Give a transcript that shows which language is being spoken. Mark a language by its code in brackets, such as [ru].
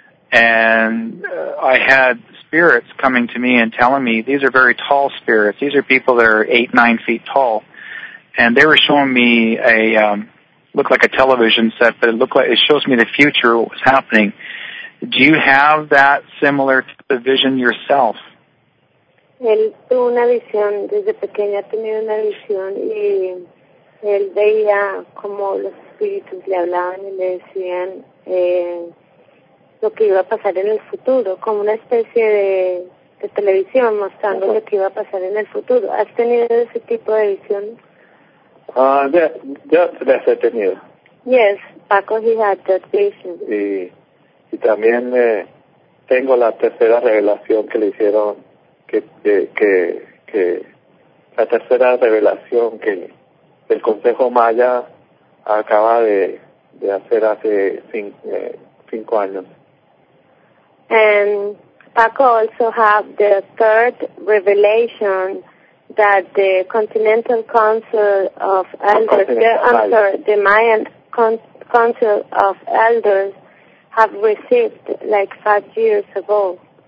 [en] And I had spirits coming to me and telling me, these are very tall spirits. These are people that are 8-9 feet tall. And they were showing me a, looked like a television set, but it shows me the future, what was happening. Do you have that similar type of vision yourself? [es] Él tuvo una visión, desde pequeña tenía una visión y él veía como los espíritus le hablaban y le decían lo que iba a pasar en el futuro, como una especie de televisión mostrando lo que iba a pasar en el futuro. ¿Has tenido ese tipo de visión? [en] Yes, [es] he tenido. [en] Yes, Paco, he had that vision. [es] Y también tengo la tercera revelación que le hicieron. Que la tercera revelación que el Consejo Maya acaba de hacer hace 5 años. [en] And Paco also have the third revelation that the Continental Council of Elders, the Mayan Council of Elders have received like 5 years ago.